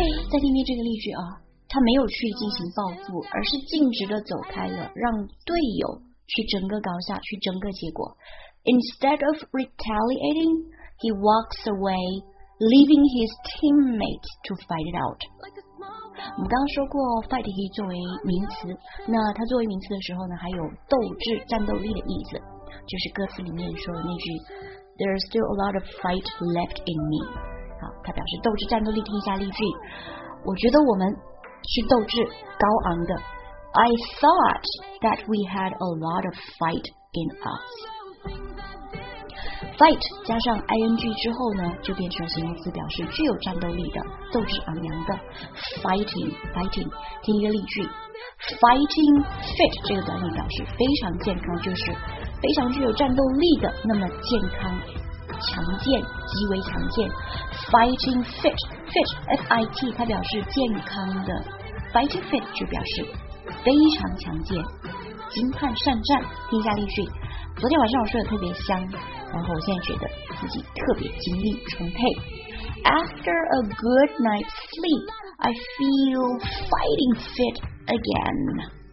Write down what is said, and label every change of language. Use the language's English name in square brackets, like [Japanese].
[Chinese] 再听听这个例句啊。他没有去进行报复，而是径直的走开了，让队友去争个高下，去争个结果。 [English] Instead of retaliating, he walks away, leaving his teammates to fight it out. [Chinese] 我们刚刚说过 fight 可以作为名词，那它作为名词的时候呢，还有斗志、战斗力的意思，就是歌词里面说的那句 [English] There's still a lot of fight left in me. [Chinese] 好，它表示斗志、战斗力。听一下例句，我觉得我们是斗志高昂的。 [English] I thought that we had a lot of fight in us. [Chinese] Fight 加上 ing 之后呢，就变成形容词，表示具有战斗力的、斗志昂扬的。 [English] Fighting, fighting. [Chinese] 听一个例句 ，fighting fit 这个短语表示非常健康，就是非常具有战斗力的，那么健康。强健，极为强健。 [English] Fighting fit, fit, F I T， [Chinese] 它表示健康的。 Fighting fit 就表示非常强健，精悍善战。听一下例句：昨天晚上我睡得特别香，然后我现在觉得自己特别精力充沛。 [English] After a good night's sleep, I feel fighting fit again.